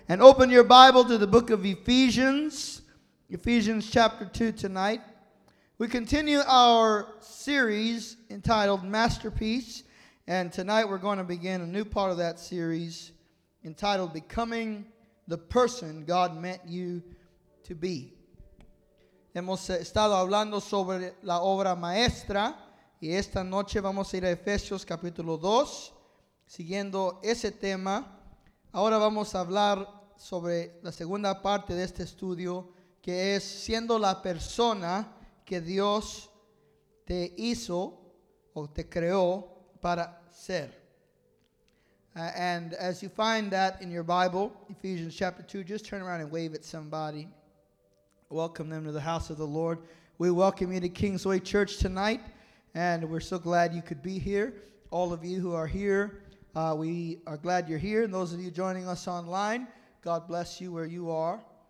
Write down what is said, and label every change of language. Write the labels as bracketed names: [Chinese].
[English] And open your Bible to the book of Ephesians, Ephesians chapter 2 tonight. We continue our series entitled Masterpiece, and tonight we're going to begin a new part of that series entitled Becoming the Person God Meant You to Be. [Spanish] Hemos estado hablando sobre la obra maestra, y esta noche vamos a ir a Efesios capítulo 2, siguiendo ese tema. Ahora vamos a hablar sobre la segunda parte de este estudio, que es siendo la persona que Dios te hizo o te creó para ser. [English] And as you find that in your Bible, Ephesians chapter 2, just turn around and wave at somebody. Welcome them to the house of the Lord. We welcome you to Kingsway Church tonight, and we're so glad you could be here. All of you who are here, we are glad you're here. And those of you joining us online, God bless you where you are.